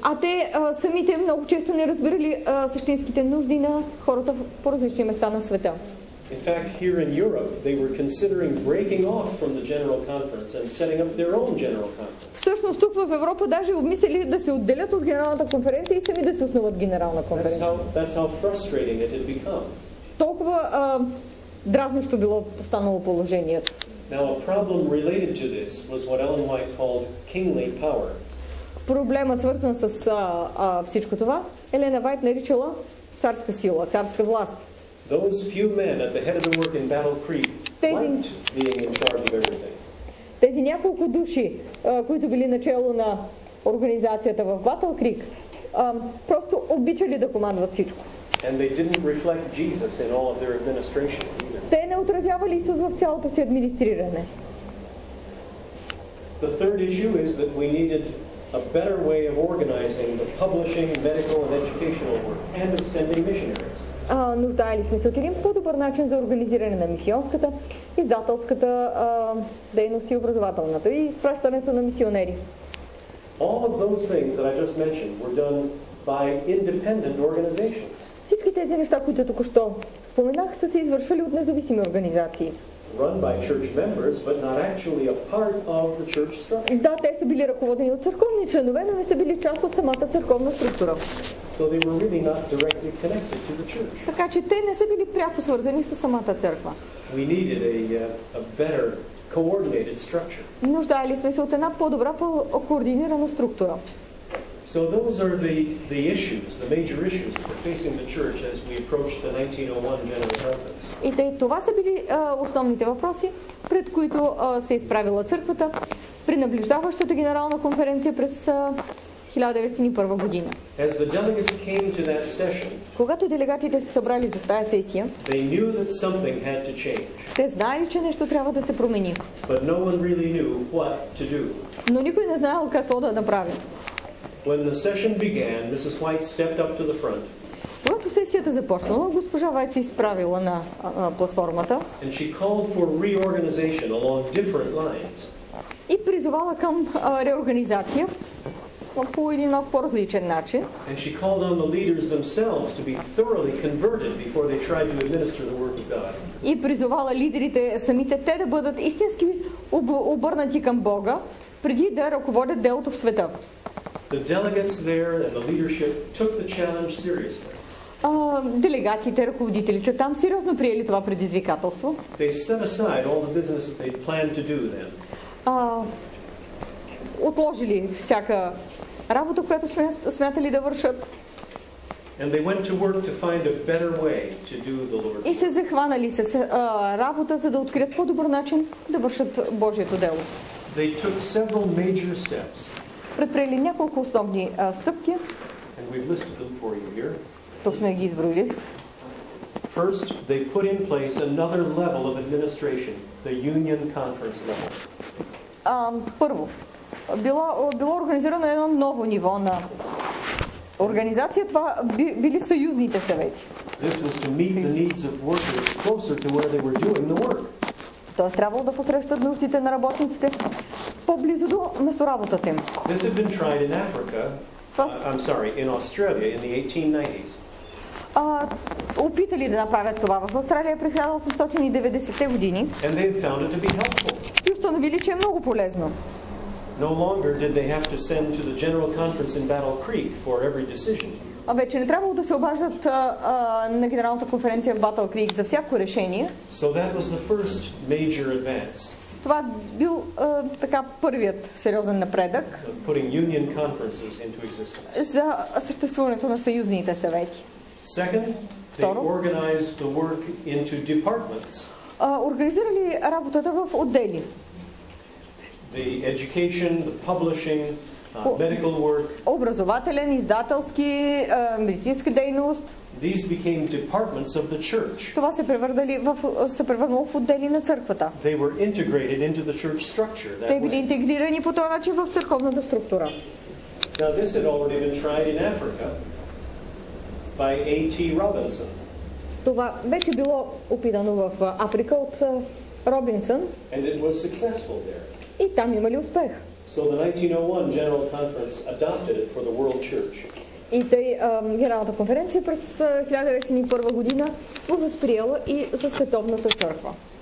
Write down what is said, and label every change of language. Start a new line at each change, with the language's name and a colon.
Bulgarian: А те самите много често не разбирали същинските нужди на хората по различни места на света.
English: In fact, here in Europe, they were considering breaking off from the General Conference and setting up their own General Conference.
Bulgarian: Всъщност тук в Европа даже обмислили да се отделят от Генералната конференция и сами да се основат Генерална конференция.
English: That's how frustrating it had become.
Bulgarian: Толкова дразнещо било станало положението.
English: Now, a problem related to this was what Ellen White called kingly power.
Bulgarian: Проблема, свързан с всичко това, Елена Вайт наричала царска сила, царска власт.
English: Those few men at the head of the work in Battle Creek liked being in charge of everything.
Bulgarian: Тези няколко души, които били начело на организацията в Battle Creek, просто обичали да командват всичко.
English: And they didn't reflect Jesus in all of their administration either.
Bulgarian: Те не отразявали Исус в цялото си администриране.
English: The third issue is that we needed a better way of organizing the publishing, medical and educational work and of sending missionaries.
Bulgarian: Нуждаели сме се от един по-добър начин за организиране на мисионската, издателската дейност и образователната и изпращането на мисионери.
English: All of those things that I just mentioned were done by independent organizations.
Bulgarian: Всички тези неща, които току-що споменах, са се извършвали от независими организации.
English: Run by church members, but not actually a part of the church structure.
Bulgarian: Да, те са били ръководени от църковни членове, но не са били част от самата църковна структура.
English: So they were really not directly connected to the church.
Bulgarian: Така че те не са били пряко свързани с самата църква.
English: We needed a better coordinated structure.
Bulgarian: Нуждаели сме се от една по-добра, по-координирана структура.
English: So those are the issues, the major issues that we're facing the church as we approach the 1901 General Conference.
Bulgarian: И тъй, това са били основните въпроси, пред които се изправила църквата при наближаващата генерална конференция през 1901 година.
English: As the delegates came to that session,
Bulgarian: когато делегатите се събрали за тая сесия,
English: they knew that something had to change.
Bulgarian: Те знаели, че нещо трябва да се промени.
English: But no one really knew what to do.
Bulgarian: Но никой не знаел какво да направи.
English: When the session began, Mrs. White stepped up to the front.
Bulgarian: Когато сесията започнала, госпожа Вайт се изправила на платформата.
English: And she called for reorganization along different lines.
Bulgarian: И призовала към реорганизация по един малко по-различен начин.
English: And she called on the leaders themselves to be thoroughly converted before they tried to administer the work of God.
Bulgarian: И призовала лидерите самите те да бъдат истински обърнати към Бога преди да ръководят делото в света.
English: The delegates there and the leadership took the challenge seriously.
Bulgarian: Делегатите, ръководителите там сериозно приели това предизвикателство.
English: They set aside all the business that they planned to do then.
Bulgarian: Отложили всяка работа, която смятали да вършат.
English: And they went to work to find a better way to do the Lord's work.
Bulgarian: И се захванали с работа, за да открият по-добър начин да вършат Божието дело.
English: They took several major steps.
Bulgarian: Предприели няколко основни стъпки.
English: And we've listed them for you here.
Bulgarian: Тук сме ги изброили.
English: First, they put in place another level of administration, the Union Conference level.
Bulgarian: Първо, било организирано едно ново ниво на организация, това били съюзните съвети.
English: This was to meet the needs of workers closer to where they were doing the work.
Bulgarian: Тоест трябвало да посрещат нуждите на работниците по-близо до месторабота им.
English: This had been tried in Africa. In Australia in the 1890s.
Bulgarian: Опитали да направят това в Австралия през 1890-те години.
English: And they found it to be helpful.
Bulgarian: И установили, че е много полезно.
English: No longer did they have to send to the General Conference in Battle Creek for every decision.
Bulgarian: А вече не трябвало да се обаждат на Генералната конференция в Батъл Крик за всяко решение.
English: So that was the first major advance.
Bulgarian: Това бил така първият сериозен напредък
English: putting union conferences into existence.
Bulgarian: За съществуването на съюзните съвети.
English: Second,
Bulgarian: второ,
English: they organized the work into departments.
Bulgarian: Организирали работата в отдели.
English: The education, the publishing, medical work.
Bulgarian: Образователен, издателски, медицинска дейност.
English: These became departments of the church.
Bulgarian: Това се превърнало в отдели на църквата.
English: They were integrated into the church structure.
Bulgarian: Те били интегрирани по този начин в църковната структура.
English: Now this had already been tried in Africa by A.T. Robinson.
Bulgarian: Това вече било опитано в Африка от Робинсън.
English: And it was successful there.
Bulgarian: И там имали успех.
English: So the 1901 General Conference adopted it for the World Church.
Bulgarian: И тъй Генералната конференция през 1901 година го възприела и за Световната църква.